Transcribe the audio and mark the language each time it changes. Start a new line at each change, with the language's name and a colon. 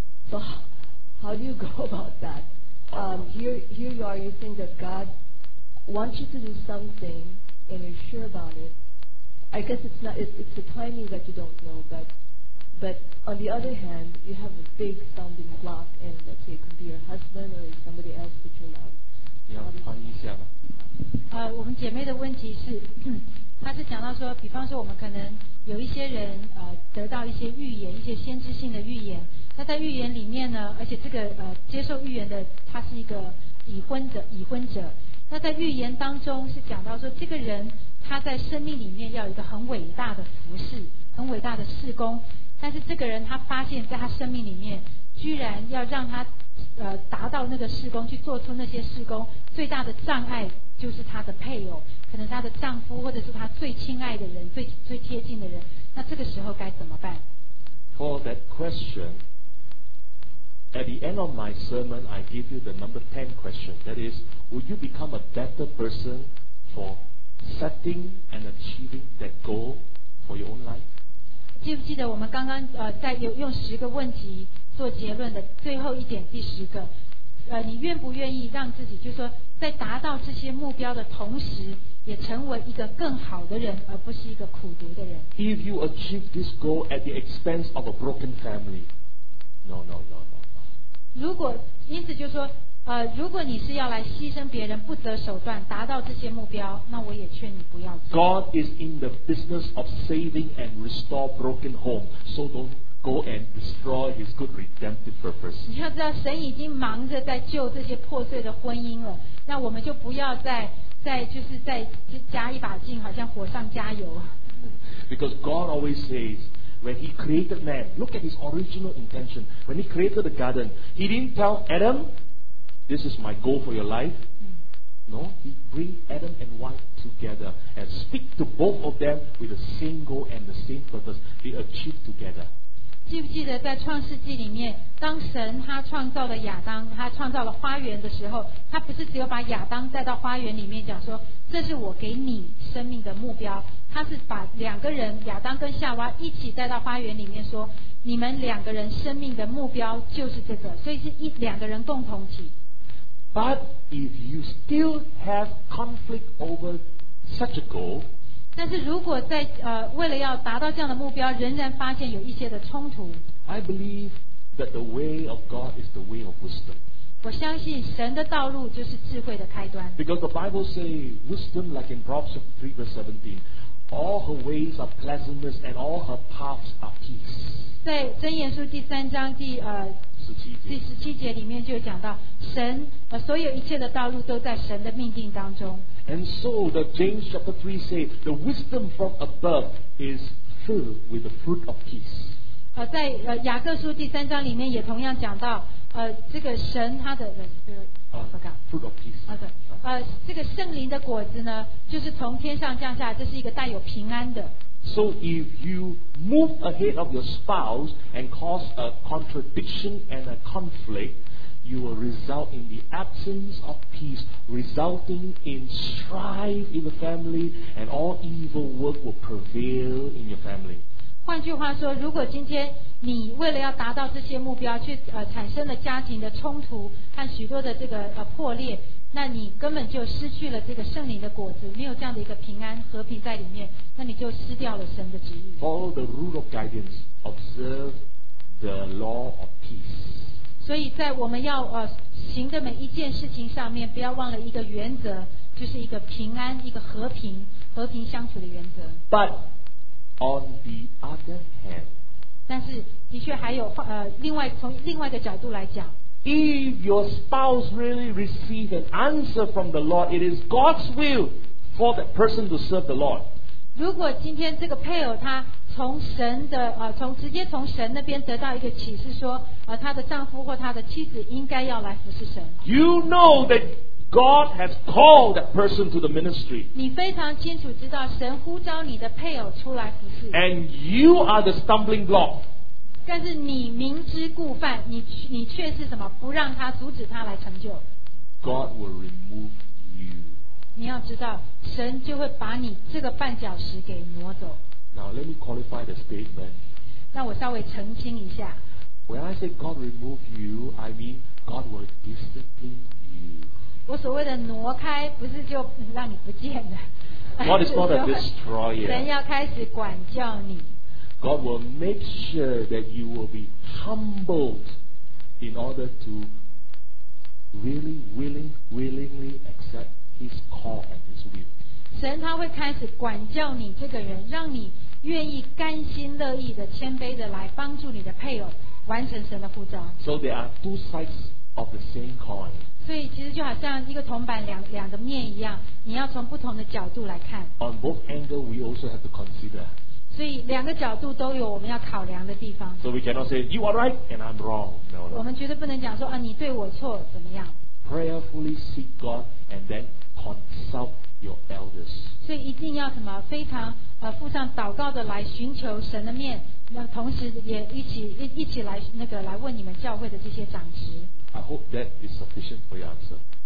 English: So how do you go about that? Here you are, you think that God wants you to do something and you're sure about it. I guess it's the timing that you don't know, but on the other hand, you have a big stumbling block, and let's say it could be your husband or somebody else that you love.
Chinese: 你要翻一下吗？我们姐妹的问题是，她是讲到说，比方说我们可能有一些人得到一些预言，一些先知性的预言，那在预言里面呢，而且这个接受预言的他是一个已婚者，那在预言当中是讲到说，这个人他在生命里面要有一个很伟大的服事，很伟大的事工，但是这个人他发现在他生命里面居然要让他达到那个事工，去做出那些事工，最大的障碍就是他的配偶，可能他的丈夫，或者是他最亲爱的人，最贴近的人，那这个时候该怎么办？
English: For that question, at the end of my sermon, I give you the number 10 question. That is, would you become a better person for setting and achieving that goal for your own life?
Chinese: 记不记得我们刚刚在用十个问题做结论的最后一点，第十个，你愿不愿意让自己，就是说在达到这些目标的同时，也成为一个更好的人，而不是一个苦读的人。
English: If you achieve this goal at the expense of a broken family, no.
Chinese: 如果因此就是说，如果你是要来牺牲别人，不择手段达到这些目标，那我也劝你不要做。
English: God is in the business of saving and restore broken homes, so don't go and destroy His good redemptive purpose.
Chinese: 你要知道，神已经忙着在救这些破碎的婚姻了，那我们就不要再就是再加一把劲，好像火上加油。
English: Because God always says, when He created man, look at His original intention. When He created the garden, He didn't tell Adam, "This is my goal for your life." No, He bring Adam and wife together and speak to both of them with the same goal and the same purpose. They achieve together.
Chinese: 记不记得在创世纪里面，当神他创造了亚当，他创造了花园的时候，他不是只有把亚当带到花园里面讲说，这是我给你生命的目标，他是把两个人，亚当跟夏娃一起带到花园里面说，你们两个人生命的目标就是这个，所以是两个人共同体。
English: But if you still have conflict over such a goal,
Chinese: 但是如果在为了要达到这样的目标，仍然发现有一些的冲突。
English: I believe that the way of God is the way of wisdom.
Chinese: 我相信神的道路就是智慧的开端。
English: Because the Bible says wisdom, like in Proverbs 3 verse 17, all her ways are pleasantness and all her paths are peace.
Chinese: 在箴言书第三章第十七节里面就讲到，神所有一切的道路都在神的命定当中。
English: And so the James chapter 3 says, the wisdom from above is filled with the fruit of peace.
Chinese: 在雅各书第三章里面也同样讲到这个神他的
English: the spirit of God fruit of peace
Chinese: 这个圣灵的果子呢就是从天上降下，这是一个带有平安的。
English: So if you move ahead of your spouse and cause a contradiction and a conflict, you will result in the absence of peace, resulting in strife in the family, and all evil work will prevail in your family.
Chinese: 换句话说，如果今天你为了要达到这些目标，去产生了家庭的冲突和许多的这个破裂，那你根本就失去了这个圣灵的果子，没有这样的一个平安和平在里面，那你就失掉了神的旨意。
English: Follow the rule of guidance. Observe the law of peace.
Chinese: 所以在我们要行的每一件事情上面，不要忘了一个原则，就是一个平安，一个和平，和平相处的原则。
English: But on the other hand，
Chinese: 但是的确还有另外从另外一个角度来讲。
English: If your spouse really receives an answer from the Lord, it is God's will for that person to serve the Lord.
Chinese: 如果今天这个配偶他从神的从直接从神那边得到一个启示说他的丈夫或他的妻子应该要来服侍神。
English: You know that God has called that person to the ministry.
Chinese: 你非常清楚知道神呼召你的配偶出来服侍。
English: And you are the stumbling block.
Chinese: 但是你明知故犯，你却是什么？不让他阻止他来成就。
English: God will remove you.
Chinese: 你要知道，神就会把你这个绊脚石给挪走。
English: Now let me qualify the statement.
Chinese: 那我稍微澄清一下。
English: When I say God remove you, I mean God will discipline you.
Chinese: 我所谓的挪开，不是就让你不见了。
English: God is not a destroyer.
Chinese: 神要开始管教你。
English: God will make sure that you will be humbled in order to really willingly accept His call and His will.
Chinese: 神他会开始管教你这个人，让你愿意甘心乐意的谦卑的来帮助你的配偶完成神的呼召。
English: So there are two sides of the same coin.
Chinese: 所以其实就好像一个铜板两个面一样，你要从不同的角度来看。
English: On both angles, we also have to consider.
Chinese: 所以两个角度都有我们要考量的地方。
English: So we cannot say you are right and I'm wrong. No, no.
Chinese: 我们绝对不能讲说你对我错怎么样。
English: Prayerfully seek God and then consult your elders.
Chinese: 所以一定要什么非常附上祷告的来寻求神的面，同时也一起来那个来问你们教会的这些长职。
English: I hope that is sufficient for your answer.